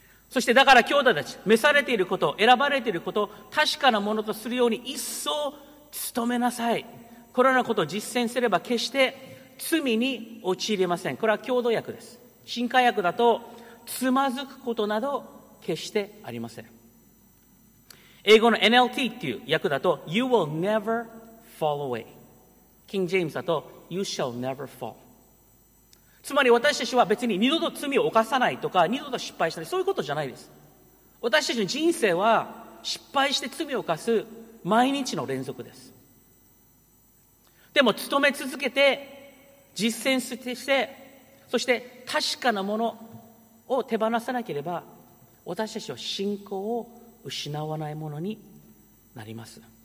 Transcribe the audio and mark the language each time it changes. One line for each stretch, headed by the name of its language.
Japanese: そしてだから兄弟たち、召されていること、選ばれていること、確かなものとするように一層努めなさい。これらのことを実践すれば決して罪に陥りません。これは共同訳です。新化訳だとつまずくことなど決してありません。英語の NLT っていう訳だと
English: You will never fall away、
Japanese: King James だと
English: You shall never fall。
Japanese: つまり私たちは別に二度と罪を犯さないとか、二度と失敗したり、そういうことじゃないです。私たちの人生は失敗して罪を犯す毎日の連続です。でも、努め続けて、実践して、そして確かなものを手放さなければ、私たちは信仰を失わないものになります。